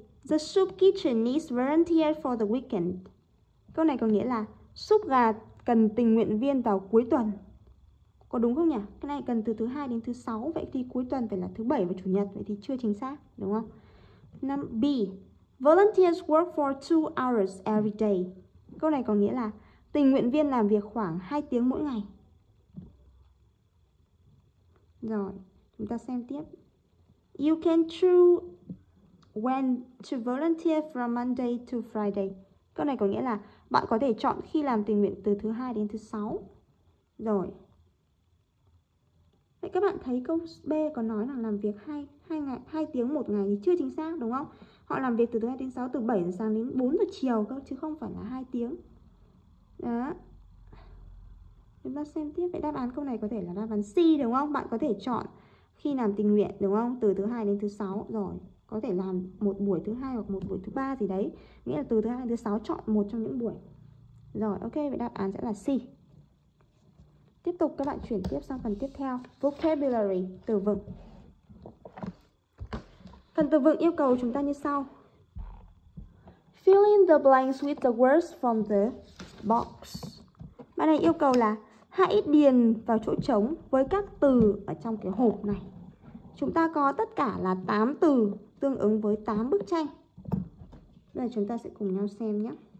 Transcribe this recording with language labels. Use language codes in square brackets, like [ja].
[en] The soup kitchen needs volunteer for the weekend. [vi] Câu này có nghĩa là súp gà cần tình nguyện viên vào cuối tuần. Có đúng không nhỉ? Cái này cần từ thứ 2 đến thứ 6. Vậy thì cuối tuần phải là thứ 7 và chủ nhật. Vậy thì chưa chính xác, đúng không? B. [en] Volunteers work for 2 hours every day. [vi] Câu này có nghĩa là tình nguyện viên làm việc khoảng 2 tiếng mỗi ngày. Rồi, chúng ta xem tiếp. [en] You can choose when to volunteer from Monday to Friday. [vi] Câu này có nghĩa là bạn có thể chọn khi làm tình nguyện từ thứ 2 đến thứ 6. Rồi. Vậy các bạn thấy câu B có nói là làm việc 2 tiếng một ngày thì chưa chính xác, đúng không? Họ làm việc từ thứ 2 đến 6, từ 7 giờ sáng đến 4 giờ chiều cơ, chứ không phải là 2 tiếng. Đó. Chúng ta xem tiếp. Vậy đáp án câu này có thể là đáp án C, đúng không? Bạn có thể chọn khi làm tình nguyện, đúng không? Từ thứ 2 đến thứ 6. Rồi. Có thể làm một buổi thứ hai hoặc một buổi thứ ba gì đấy. Nghĩa là từ thứ hai thứ sáu chọn một trong những buổi. Rồi, ok, vậy đáp án sẽ là C. Tiếp tục các bạn chuyển tiếp sang phần tiếp theo. Vocabulary, từ vựng. Phần từ vựng yêu cầu chúng ta như sau. [en] Fill in the blanks with the words from the box. [vi] Bài này yêu cầu là hãy điền vào chỗ trống với các từ ở trong cái hộp này. Chúng ta có tất cả là 8 từ tương ứng với 8 bức tranh. Bây giờ chúng ta sẽ cùng nhau xem nhé.